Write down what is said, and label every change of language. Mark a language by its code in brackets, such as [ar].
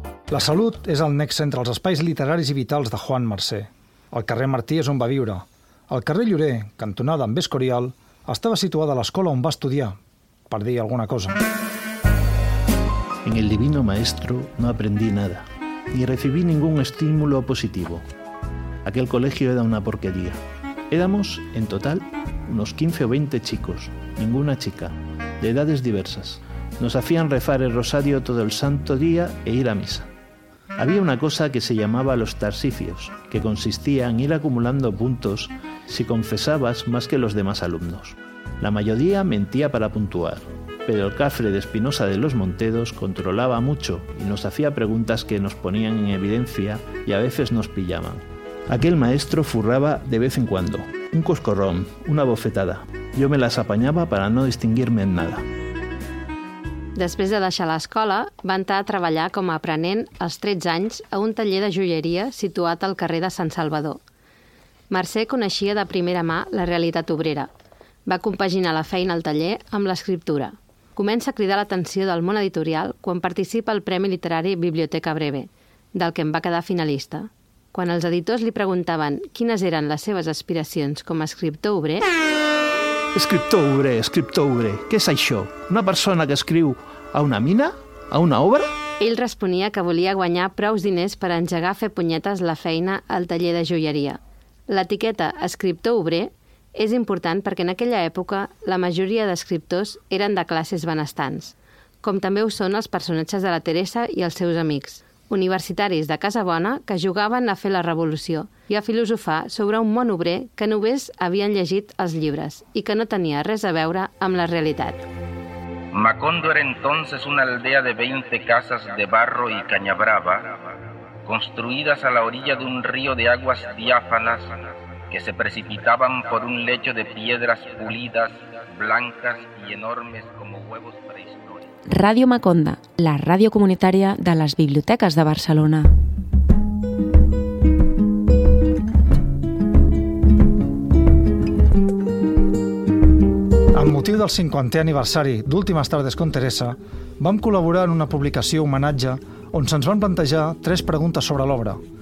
[ca] La Salut és el nexe entre els espais literaris i vitals de Juan Mercè. El carrer Martí és on va viure. El carrer Llorer, cantonada amb Escorial, estava situada a l'escola on va estudiar, per dir alguna cosa. [es] En el Divino Maestro no aprendí nada, ni recibí ningún estímulo positivo. aquel colegio era una porquería. Éramos, en total, unos 15 o 20 chicos, ninguna chica, de edades diversas. Nos hacían rezar el rosario todo el santo día e ir a misa. Había una cosa que se llamaba los tarsicios, que consistía en ir acumulando puntos si confesabas más que los demás alumnos. La mayoría mentía para puntuar, pero el cafre de Espinosa de los Monteros controlaba mucho y nos hacía preguntas que nos ponían en evidencia y a veces nos pillaban. Aquel maestro furraba de vez en cuando, un coscorrón, una bofetada. Yo me las apañaba para no distinguirme en nada. [ca] Després de deixar l'escola, va entrar a treballar com a aprenent als 13 anys a un taller de joieria situat al carrer de Sant Salvador. Mercè coneixia de primera mà la realitat obrera. Va compaginar la feina al taller amb l'escriptura. Comença a cridar l'atenció del món editorial quan participa al Premi Literari Biblioteca Breve, del que en va quedar finalista. Quan els editors li preguntaven quines eren les seves aspiracions com a escriptor obrer... Escriptor obrer, què és això? Una persona que escriu a una mina? A una obra? Ell responia que volia guanyar prous diners per engegar a fer punyetes la feina al taller de joieria. L'etiqueta escriptor obrer és important perquè en aquella època la majoria d'escriptors eren de classes benestants, com també ho són els personatges de la Teresa i els seus amics, universitaris de Casa Bona que jugaven a fer la revolució i a filosofar sobre un món obrer que només havien llegit els llibres i que no tenia res a veure amb la realitat. [es] Macondo era entonces una aldea de 20 casas de barro y caña brava construidas a la orilla de un río de aguas diáfanas que se precipitaban por un lecho de piedras pulidas, blancas y enormes como huevos prehistóricos. [ca] Ràdio Maconda, la ràdio comunitària de les biblioteques de Barcelona. Amb motiu del 50è aniversari d'Últimes Tardes con Teresa, vam col·laborar en una publicació homenatge on se'ns van plantejar tres preguntes sobre l'obra.